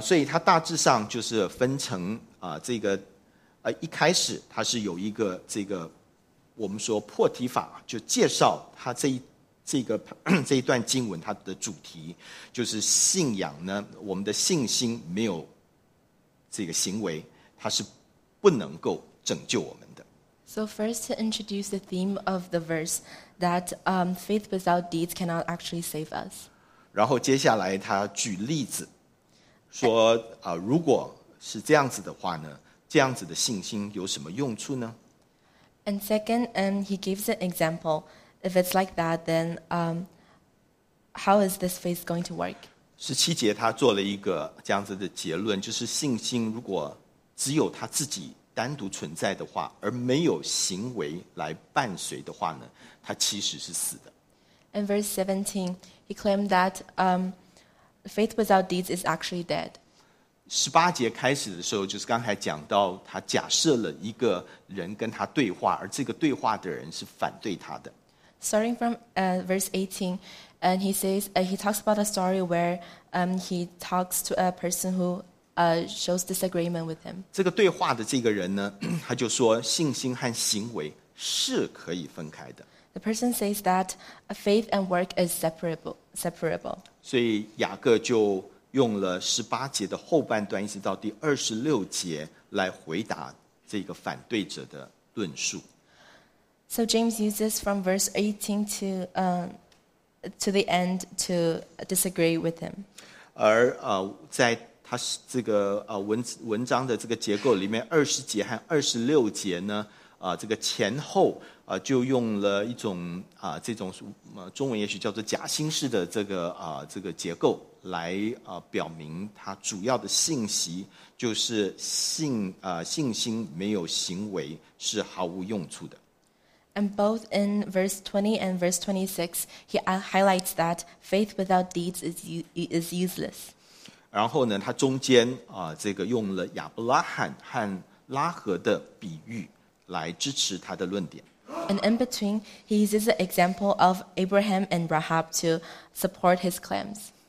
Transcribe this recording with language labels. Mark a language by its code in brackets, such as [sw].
[zh] 所以它大致上就是分成这个一开始它是有一个这个我们说破题法，就介绍它这一段经文它的主题，就是信仰呢，我们的信心没有这个行为，它是不能够拯救我们的。 [en] So first to introduce the theme of the verse that faith without deeds cannot actually save us. [zh] 然后接下来它举例子。说如果是这样子的话呢，这样子的信心有什么用处呢？ [en] And second, he gives an example. If it's like that, then how is this faith going to work? [zh] 十七节他做了一个这样子的结论，就是信心如果只有他自己单独存在的话，而没有行为来伴随的话呢，他其实是死的。 [en] In verse 17, he claimed that faith without deeds is actually dead. [zh] 十八节开始的时候，就是刚才讲到，他假设了一个人跟他对话，而这个对话的人是反对他的。 [en] Starting from verse 18, and he says he talks about a story where he talks to a person who shows disagreement with him. [zh] 这个对话的这个人呢，他就说信心和行为是可以分开的。 [en] The person says that faith and work is separable. [zh] 所以雅各就用了十八节的后半段一直到第二十六节来回答这个反对者的论述。 [en] So James uses from verse 18 to the end to disagree with him. [zh] 而在他这个文章的这个结构里面，二十节和二十六节呢，这个前后。就用了一种这种中文也许叫做假心式的这个结构来表明它主要的信息，就是信心没有行为是毫无用处的。 [en] And both in verse 20 and verse 26, he highlights that faith without deeds is useless. [zh] 然后呢，他中间这个用了亚伯拉罕和拉合的比喻来支持他的论点。 [en] And in between, he uses the example of Abraham and Rahab to support his claims.